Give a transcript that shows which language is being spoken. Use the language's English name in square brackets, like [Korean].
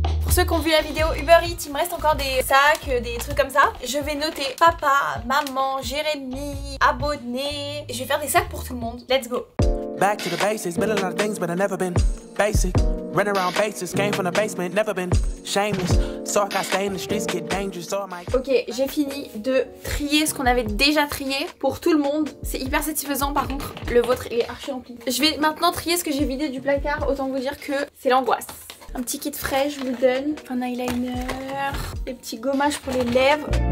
[French] Ceux qui ont vu la vidéo Uber Eats, il me reste encore des sacs, des trucs comme ça. Je vais noter papa, maman, Jérémy, abonné. Je vais faire des sacs pour tout le monde. [English] Let's go. Back to the basics, been a lot of things, but I've never been basic. Run around basics, came from the basement, never been shameless. So I got stay in the streets, get dangerous. So I... [French] Ok, j'ai fini de trier ce qu'on avait déjà trié pour tout le monde. C'est hyper satisfaisant, par contre, le vôtre est archi rempli. Je vais maintenant trier ce que j'ai vidé du placard, autant vous dire que c'est l'angoisse. Un petit kit frais, je vous le donne. Un eyeliner. Des petits gommages pour les lèvres.